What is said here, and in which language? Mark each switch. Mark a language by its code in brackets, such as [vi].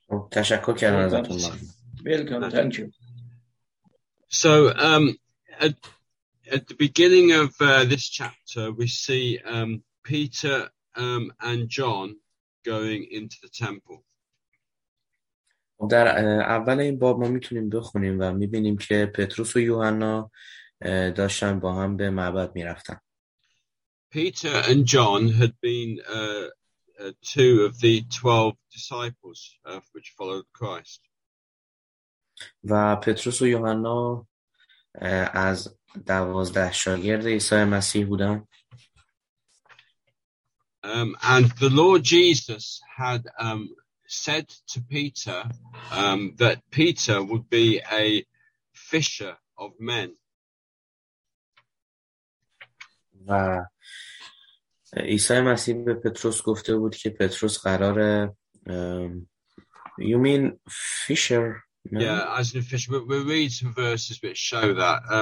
[fa] تشکر کردم ازتون. [en] Welcome. Thank you. So at the beginning of this chapter, we see Peter and John going into the temple. [fa] در اول این باب ما میتونیم بخونیم و میبینیم که پتروس و یوحنا داشتن با هم به معبد میرفتن. [en] Peter and John had been two of the 12 disciples which followed Christ. [fa] و پتروس و یوحنا از 12 شاگرد عیسی مسیح بودن. [en] And the Lord Jesus had said to Peter that Peter would be a fisher of men. [fa] و عیسی مسیح به پتروس گفته بود که پتروس قراره. [en] You mean fisher Yeah, as an official, we'll read some verses which show that.